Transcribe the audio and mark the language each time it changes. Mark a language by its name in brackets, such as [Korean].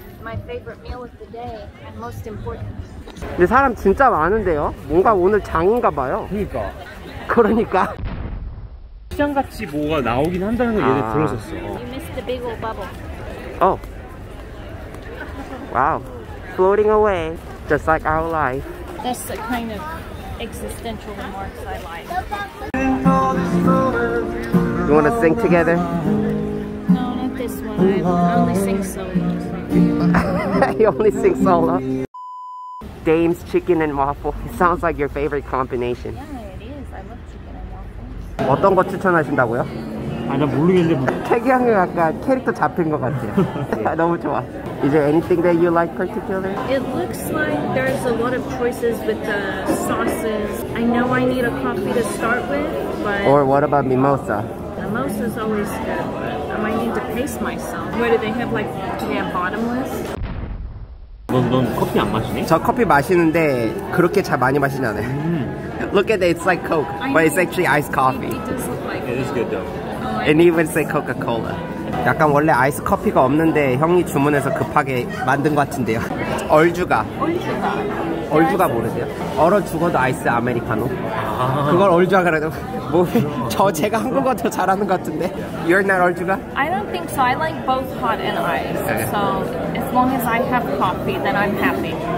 [English] My favorite meal of the day and most important. [Korean] 근데 사람 진짜 많은데요? 뭔가 오늘 장인가 봐요. 그러니까. 그러니까. 시장 같이 뭐가 나오긴 한다는 걸 얘네 들었었어. [English] You missed the big old bubble. Oh. Wow. Floating away, just like our life. That's the kind of existential remarks I like. You wanna sing together? No, not this one. I only sing solo. You only sing solo. Dame's chicken and waffle. It sounds like your favorite combination. Yeah, it is. I love chicken and waffles. [Korean] 어떤 거 추천하신다고요? 아, 나 모르겠는데. 태기 형이 약간 캐릭터 잡힌 것 같아요. 너무 좋아. [English] Is there anything that you like particular? It looks like there's a lot of choices with the sauces. I know I need a coffee to start with, but... Or what about mimosa? Mimosa's always good, but I might need to pace myself. Where do they have, like, do they have bottomless? [Korean] 넌 커피 안 마시니? 저 커피 마시는데 그렇게 잘 많이 마시진 않아요. [English] Look at it, it's like Coke, but it's actually iced coffee. It does look like it is good though. Oh, and even say Coca-Cola. [Korean] 약간 원래 아이스 커피가 없는데 형이 주문해서 급하게 만든 것 같은데요. 얼주가. 얼주가. 얼주가 모르세요? 얼어 죽어도 아이스 아메리카노. 그걸 얼주가 그래도 뭐 저 제가 한국어 더 잘하는 것 같은데. [English] You're not 얼주가? I don't think so. I like both hot and ice. So as long as I have coffee, then I'm happy.